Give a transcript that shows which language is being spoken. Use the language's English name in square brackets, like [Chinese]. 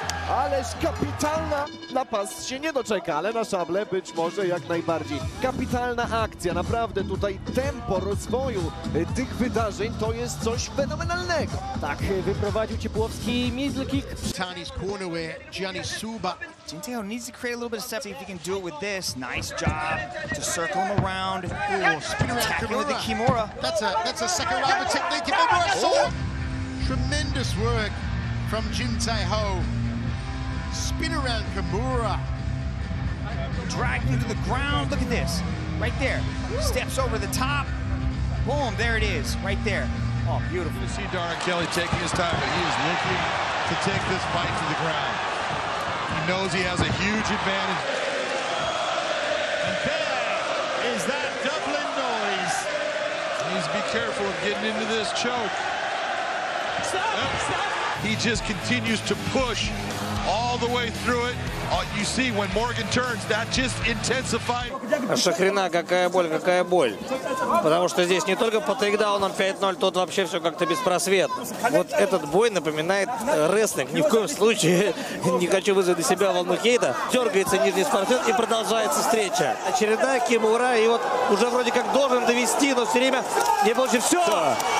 [Polish] Ależ kapitalna. Napas się nie doczeka, ale na szable być może jak najbardziej. Kapitalna akcja. Naprawdę tutaj tempo rozwoju tych wydarzeń to jest coś fenomenalnego. Tak wyprowadził Ciepłowski middle kick. [English] Tani's corner where Gianni Suba. Tintejo needs to create a little bit of step. See if he can do it with this. Nice job to circle him around. Ooh, spin around Kimura. With the Kimura. That's a second round of technique. Remember I saw tremendous work from Jinteho. Spin around Kimura. Dragged into the ground. Look at this. Right there. Steps over the top. Boom, there it is. Right there. Oh, beautiful. You see Darren Kelly taking his time, but he is looking to take this fight to the ground. He knows he has a huge advantage. And there is that Dublin noise. He needs to be careful of getting into this choke. Stop. He just continues to push all the way through it. You see, when Morgan turns, that just intensifies. [Russian] Шахрина, какая боль, какая боль. Потому что здесь не только по тейкдаунам 5-0, тут вообще все как-то беспросветно. Вот этот бой напоминает рестлинг. Ни в коем случае не хочу вызвать на себя волну хейта. Дергается нижний спортсмен и продолжается встреча. Очередная Кимура, и вот уже вроде как должен довести, но все время не получится. Все.